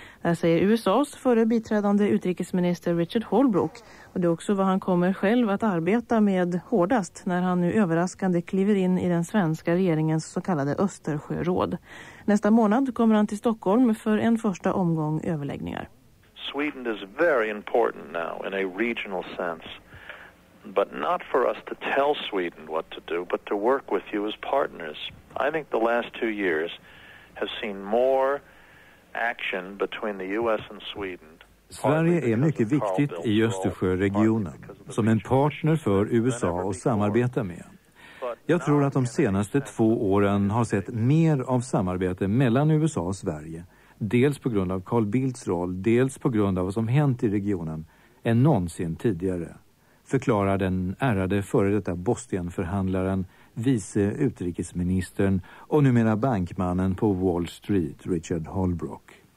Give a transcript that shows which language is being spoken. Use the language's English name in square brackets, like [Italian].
[Swedish] Det säger USAs före biträdande utrikesminister Richard Holbrook. Och det är också vad han kommer själv att arbeta med hårdast när han nu överraskande kliver in i den svenska regeringens så kallade Östersjöråd. Nästa månad kommer han till Stockholm för en första omgång överläggningar. [English] Sweden is very important now in a regional sense. But not for us to tell Sweden what to do, but to work with you as partners. I think the last 2 years have seen more action between the US and Sweden. [Swedish] Sverige är mycket viktigt i Östersjöregionen som en partner för USA att samarbeta med. Jag tror att de senaste 2 åren har sett mer av samarbete mellan USA och Sverige, dels på grund av Carl Bildts roll, dels på grund av vad som hänt i regionen, än någonsin tidigare, förklarar den ärade före detta Bosnienförhandlaren, vice utrikesministern och numera bankmannen på Wall Street, Richard Holbrooke.